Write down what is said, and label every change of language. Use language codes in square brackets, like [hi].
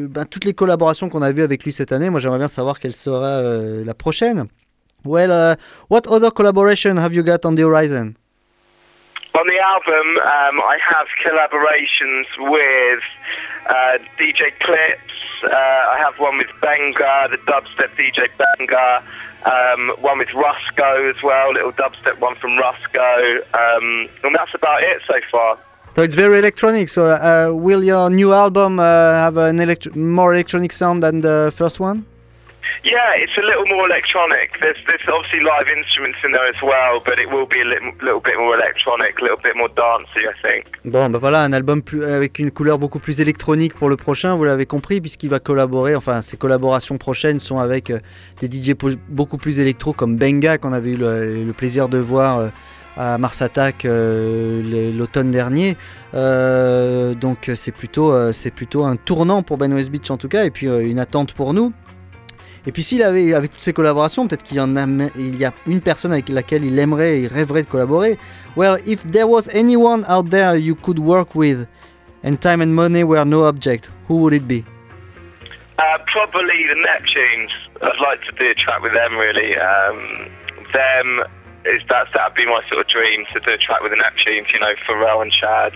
[fr] Toutes les collaborations qu'on a vues avec lui cette année, moi, j'aimerais bien savoir quelle sera la prochaine. [en] Well, what other collaboration have you got on the horizon? On the album, I have collaborations with DJ Clips. I have one with Benga, the dubstep DJ Benga. One with Rusko as well, little dubstep one from Rusko. And that's about it so far. So it's very electronic. So will your new album have an more electronic sound than the first one? Yeah, it's a little more electronic. There's obviously live instruments in there as well, but it will be a little bit more electronic, a little bit more dancey, I think. [fr] Bon, bah voilà, un album avec une couleur beaucoup plus électronique pour le prochain, vous l'avez compris, puisqu'il va collaborer, enfin, ses collaborations prochaines sont avec des DJ beaucoup plus électro, comme Benga, qu'on avait eu le plaisir de voir à Mars Attack l'automne dernier. Donc c'est plutôt un tournant pour Ben West Beach, en tout cas, et puis une attente pour nous. Et puis s'il avait, avec toutes ces collaborations, peut-être qu'il y a une personne avec laquelle il aimerait et il rêverait de collaborer. [en] Well, if there was anyone out there you could work with and time and money were no object, who would it be? Probably the Neptunes. I'd like to do a track with them, really. That'd be my sort of dream, to do a track with the Neptunes, you know, Pharrell and Chad.